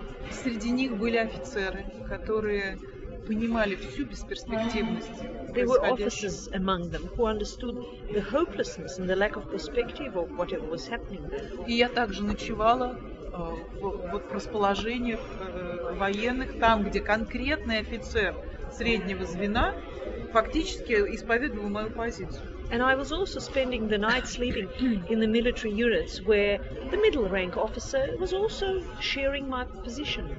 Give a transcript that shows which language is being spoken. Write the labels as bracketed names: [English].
[Russian] Среди них были офицеры, которые понимали всю бесперспективность. [English] There were officers among them who understood the hopelessness and the lack of perspective of whatever was happening there. [Russian] И я также ночевала в расположениях военных, там, где конкретный офицер среднего звена фактически исповедовал мою позицию. [English] And I was also spending the night sleeping in the military units where the middle rank officer was also sharing my position.